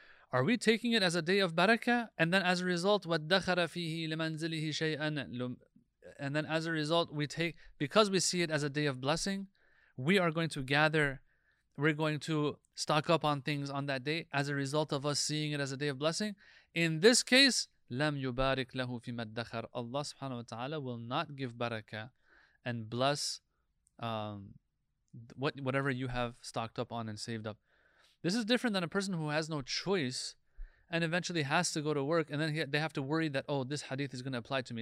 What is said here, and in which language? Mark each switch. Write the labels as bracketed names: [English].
[English] Are we taking it as a day of barakah? And then as a result, وَدَّخَرَ فِيهِ لِمَنْزِلِهِ شَيْئًا And then as a result, we take, because we see it as a day of blessing, we are going to gather, we're going to stock up on things on that day as a result of us seeing it as a day of blessing. [Arabic] In this case, لَمْ يُبَارِكْ لَهُ فِي مَدَّخَرَ. [English] Allah subhanahu wa ta'ala will not give barakah and bless whatever you have stocked up on and saved up. This is different than a person who has no choice and eventually has to go to work and then they have to worry that, oh, this hadith is going to apply to me.